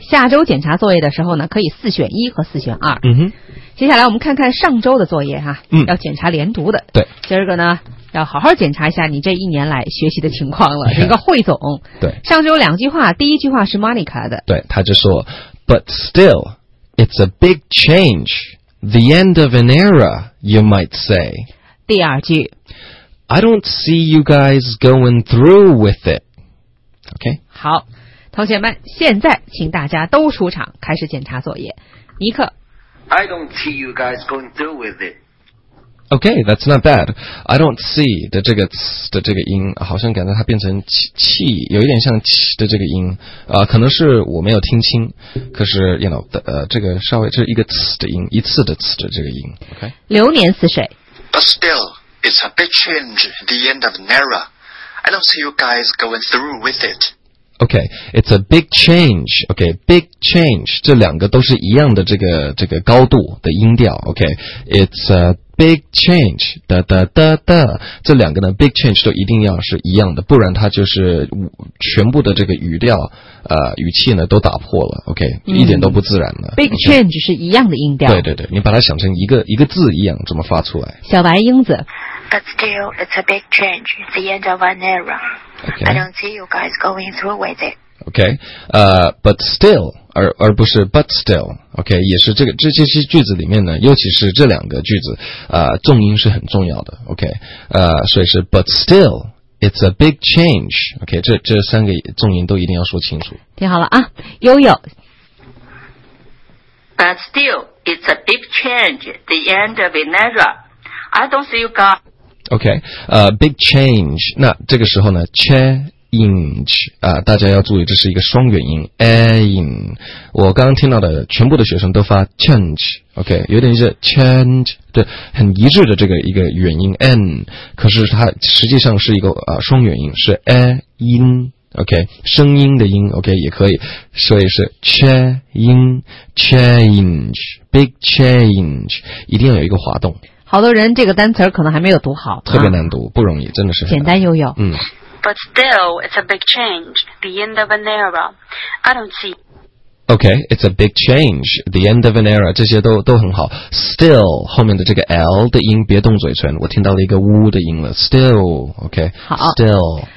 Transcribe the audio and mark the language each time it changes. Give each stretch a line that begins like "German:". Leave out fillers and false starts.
Chinese: 下周检查作业的时候呢可以四选一和四选二。嗯哼，接下来我们看看上周的作业哈、啊嗯、要检查连读的。对，今儿个呢要好好检查一下你这一年来学习的情况了，一个汇总。对，上周两句话，第一句话是 Monica 的，对，他就说
English: But still it's a big change, the end of an era you might say.
Chinese: 第二句
English: I don't see you guys going through with itOK，
Chinese: 好，同学们，现在请大家都出场，开始检查作业。尼克
English: ，I don't see you guys going through with it. OK， that's not bad. I don't see
Chinese: 的这个词的这个音，好像感觉它变成气，有一点像气的这个音，可能是我没有听清。可是 ，
English: you know，
Chinese: 这个稍微这是一个词的音，一次的词的这个音。OK，流年似水。
English: But still, it's a big change. The end of an era. I don't see you guys going through with it. Okay, it's a big change. Okay, big change.
Chinese: 这两个都是一样的这个高度的音调。
English: Okay, it's a big change. 哒哒哒哒。
Chinese: 这两个呢 ，
English: big change
Chinese: 都一定要是一样的，不然它就是全部的这个语调，语气呢都打破了。Okay,、嗯、一点都不自然了。
English: Big change、okay?
Chinese: 是一样的音调。对对对，你把它想成一个字一样这么发出来。小白英子。
English: But still, it's a big change. It's the end of an era. Okay. I don't see you guys going through with it. Okay. But still,
Chinese: 而不是
English: but still. Okay.
Chinese: 也是这些句子里面呢，尤其是这两个句子，重音是很重要的。
English: Okay.
Chinese: 所以是
English: but still, it's a big change. Okay.
Chinese: 这三个重音都一定要说清楚。听好了啊，悠悠。
English: But still, it's a big change. The end of an era. I don't see you guys. Okay, big change.
Chinese: 那这个时候呢 ，change 啊、大家要注意，这是一个双元音 ，ain。我刚刚听到的全部的学生都发 change。Okay, 有点像 change， 对，很一致的这个一个元音 n， 可是它实际上是一个双元音，是 a 音。 Okay, 声音的音 ，Okay 也可以，所以是 change，
English: big change，
Chinese: 一定要有一个滑动。好多人这个单词可能还没有读好，特别难读，啊、不容易，真的是简单悠悠。嗯。
English: But still, it's a big change. The end of an era. I don't see. Okay, it's a big change. The end of an era.
Chinese: 这些都很好。 Still 后面的这个 L 的音别动嘴唇，我听到了一个呜的音了。
English: Still, okay.
Chinese: 好。
English: Still.